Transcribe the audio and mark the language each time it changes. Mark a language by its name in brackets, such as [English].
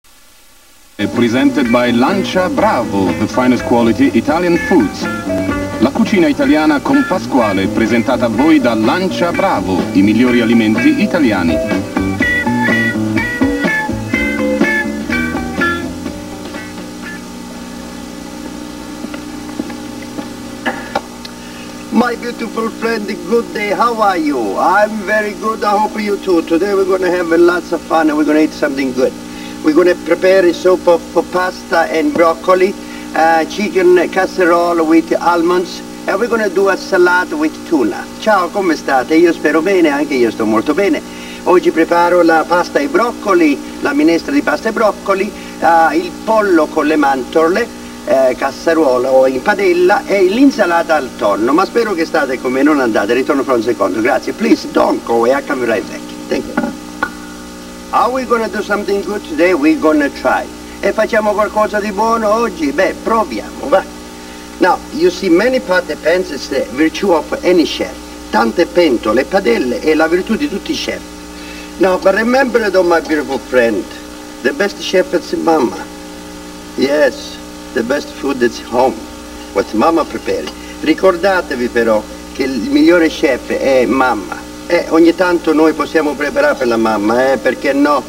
[English] Presented by Lancia Bravo, the finest quality Italian foods. [Italian] La cucina italiana con Pasquale, presentata a voi da Lancia Bravo, i migliori alimenti italiani. [English] My beautiful friend, good day. How are you? I'm very good. I hope you too. Today we're going to have lots of fun and we're going to eat something good. We're going to prepare a soup of pasta and broccoli, chicken casserole with almonds, and we're going to do a salad with tuna. [Italian] Ciao, come state? Io spero bene, anche io sto molto bene. Oggi preparo la pasta e broccoli, la minestra di pasta e broccoli, il pollo con le mandorle, casserole o in padella e l'insalata al tonno, ma spero che state con me, non andate, ritorno fra un secondo, grazie. [English] Please, don't go away, I'll come right back. Thank you. Are we gonna do something good today? We're gonna try. [Italian] E facciamo qualcosa di buono oggi? Beh, proviamo, va. [English] Now, you see, many pots and pans is the virtue of any chef. [Italian] Tante pentole, padelle è la virtù di tutti i chef. [English] Now, but remember it, my beautiful friend, the best chef is mama. Yes. The best food is home, what mamma prepares. [Italian] Ricordatevi però che il migliore chef è mamma. E ogni tanto noi possiamo preparare per la mamma, perché no?